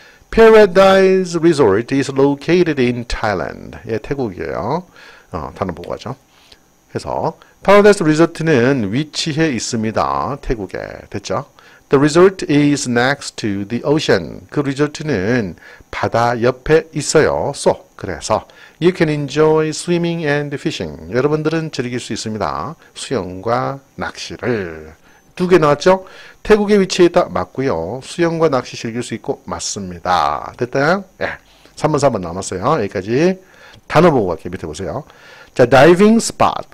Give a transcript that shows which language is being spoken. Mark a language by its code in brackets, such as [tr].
[en] Paradise Resort is located in Thailand. [ko] 예, 태국이에요. 단어 보고 하죠. 해서 Paradise Resort는 위치해 있습니다. 태국에. 됐죠? [en] The resort is next to the ocean. [ko] 그 리조트는 바다 옆에 있어요. [en] So, [ko] 그래서 [en] you can enjoy swimming and fishing. [ko] 여러분들은 즐길 수 있습니다. 수영과 낚시를. 두개 나왔죠? 태국에 위치해 있다. 맞고요. 수영과 낚시 즐길 수 있고 맞습니다. 됐다. 예. 3번, 4번 남았어요. 여기까지 단어 보고 갈게요. 밑에 보세요. 자, diving spot.